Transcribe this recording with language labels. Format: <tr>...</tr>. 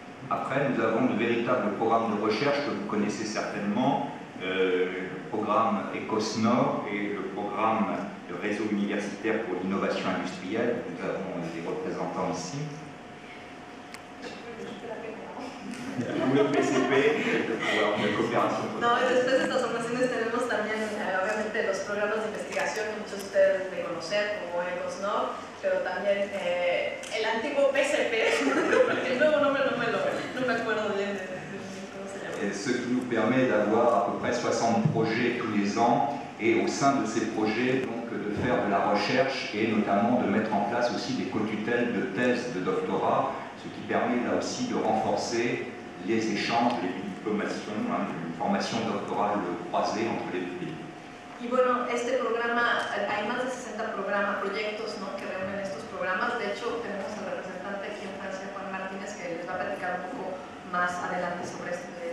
<fr>après, nous avons de véritables programmes de recherche que vous connaissez certainement, le programme ECOSNOR et le programme de réseau universitaire pour l'innovation industrielle. Nous avons des représentants ici. Ou le PCP, la coopération.</fr> <es>No, después de estas formaciones tenemos también, obviamente, los programas de investigación que muchos de ustedes deben conocer, como ECOSNOR, pero también el antiguo PCP, el nuevo nombre no me acuerdo bien.</es> <fr>Ce qui nous permet d'avoir à peu près 60 projets tous les ans et au sein de ces projets donc, de faire de la recherche et notamment de mettre en place aussi des co-tutelles de thèses de doctorat, ce qui permet là aussi de renforcer les échanges, les diplomations, hein, une formation doctorale croisée entre les deux pays.</fr> <es>Et bueno, este programa, hay más de 60 programas, proyectos, ¿no?, que reúnen estos programas. De hecho, tenemos al representante aquí en Francia, Juan Martínez, que les va a platicar un poco más adelante sobre esto.</es>